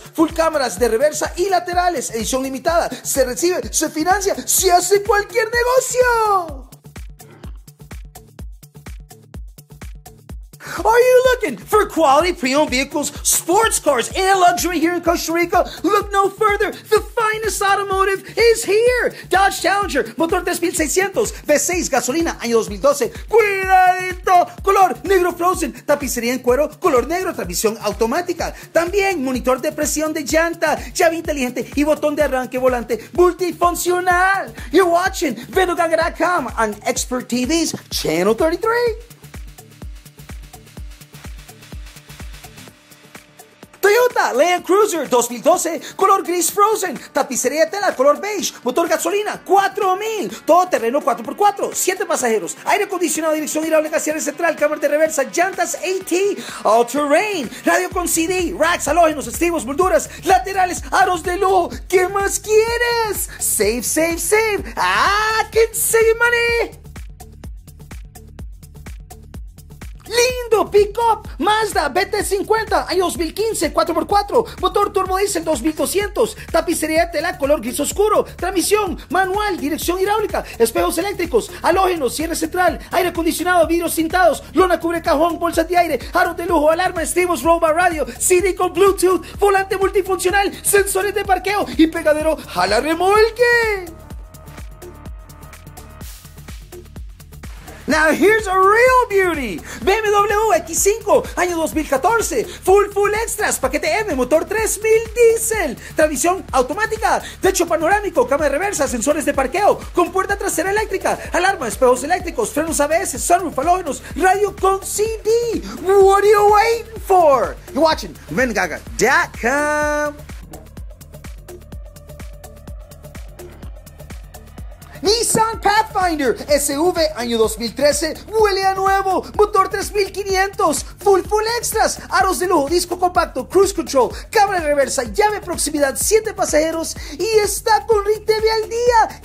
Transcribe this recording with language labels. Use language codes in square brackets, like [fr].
[es] Full cámaras de reversa y laterales. Edición limitada. Se recibe, se financia, se hace cualquier negocio. [en] Are you looking for quality pre-owned vehicles, sports cars, and luxury here in Costa Rica? Look no further. The finest automotive is here. [es] Dodge Challenger, motor 3600, V6, gasolina, año 2012. Cuidadito. Color negro frozen, tapicería en cuero, color negro, transmisión automática. También monitor de presión de llanta, llave inteligente y botón de arranque volante multifuncional. [en] You're watching Vedoganga.com on Expert TV's Channel 33. [es] Toyota Land Cruiser 2012, color gris frozen, tapicería de tela, color beige, motor gasolina, 4000, todo terreno 4x4, 7 pasajeros, aire acondicionado, dirección hidráulica, cierre central, cámara de reversa, llantas AT, all terrain, radio con CD, racks, halógenos, estribos, molduras, laterales, aros de lujo, ¿qué más quieres? [en] Save, save, save, can save money. [es] ¡Lindo! Pickup Mazda BT50, año 2015, 4x4, motor turbo diesel 2200, tapicería de tela color gris oscuro, transmisión manual, dirección hidráulica, espejos eléctricos, halógenos, cierre central, aire acondicionado, vidrios tintados, lona cubre cajón, bolsas de aire, aros de lujo, alarma, estribos, roba radio, CD con Bluetooth, volante multifuncional, sensores de parqueo y pegadero jala remolque. [en] Now here's a real beauty. BMW X5, año 2014. [es] Full extras, paquete M, motor 3000 diesel. Transmisión automática, techo panorámico, cámara de reversa, sensores de parqueo, con puerta trasera eléctrica, alarma, espejos eléctricos, frenos ABS, sunroof, halógenos, radio con CD. [en] What are you waiting for? You're watching Vedogaga.com. [es] Nissan Pathfinder SV año 2013, huele a nuevo, motor 3500, full extras, aros de lujo, disco compacto, cruise control, cámara de reversa, llave proximidad, 7 pasajeros y está con RITV al día.